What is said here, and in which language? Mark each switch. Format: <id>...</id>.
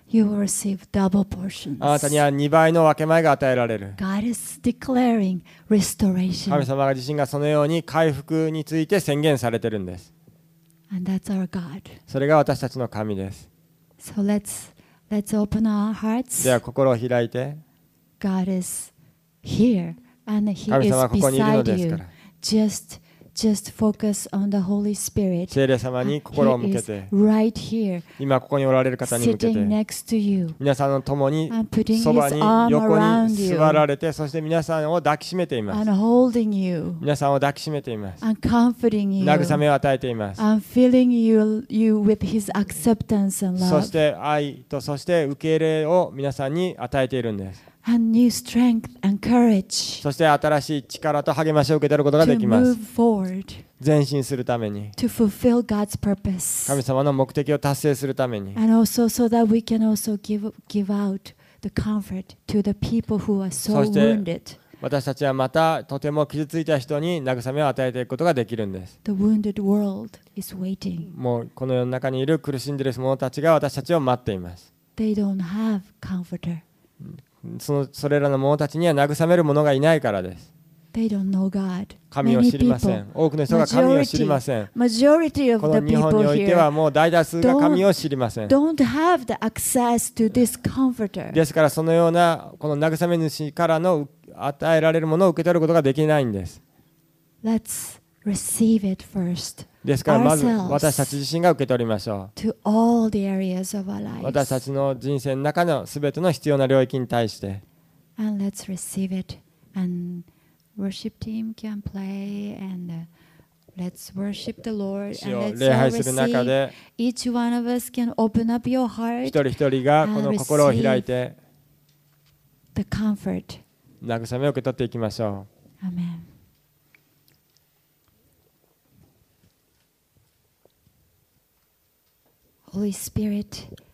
<en>You will receive double portions.</en> <ja>あなたには2倍の分け前が与えられる。</ja> <en>God is declaring restoration.</en> <ja>神様自身がそのように回復について宣言されているんです。</ja> <en>And that's our God.</en> <ja>それが私たちの神です。</ja> <en>So let's open our hearts.</en> <ja>では心を開いて。</ja> <en>God is here and He is beside you. Just focus on the Holy Spirit.</en> <ja>聖霊様に心を向けて、</ja> <en>right、here,</en> <ja>今ここにおられる方に向けて、</ja> <en>sitting next to you,</en> <ja>皆さんの共にそばに横に座られて、そして皆さんを抱きしめています。</ja> <en>And holding you,</en> <ja>皆さんを抱きしめています。</ja> <en>And comforting you,</en> <ja>慰めを与えています。</ja> <en>And filling you with his acceptance and love.</en> <ja>そして愛と、そして受け入れを皆さんに与えているんです。</ja> <en>And new strength and courage.</en> <ja>そして新しい力と励ましを受け取ることができます。前進するために。</ja> <en>To fulfill God's purpose.</en> <ja>神様の目的を達成するために。</ja> <en>And also so that we can also give out the comfort to the people who are so wounded.</en> <ja>私たちはまたとても傷ついた人に慰めを与えていくことができるんです。</ja> <en>The wounded world is waiting.</en> <ja>もうこの世の中にいる苦しんでいる者たちが私たちを待っています。</ja> <en>They don't have comforter.</en> <ja>それらの者たちには慰める者がいないからです。</ja> <en>They don't know God.</en> <ja>神を知りません。多くの人が神を知りません。</ja> <en>Majority of the people here.</en> <ja>この日本においてはもう大多数が神を知りません。</ja> <en>Don't have the access to this comforter.</en> <ja>ですからそのようなこの慰め主からの与えられるものを受け取ることができないんです。</ja> <en>Let's receive it first.</en> <ja>ですからまず私たち自身が受け取りましょう。私たちの人生の中の全ての必要な領域に対して。</ja> <en>And let's receive it. And worship team can play and let's worship the Lord.</en> <ja>主を礼拝する中で、</ja> <en>each one of us can open up your heart.</en> <ja>一人一人がこの心を開いて、</ja> <en>the comfort.</en> <ja>慰めを受け取っていきましょう。</ja> <en>Amen. Holy Spirit,</en>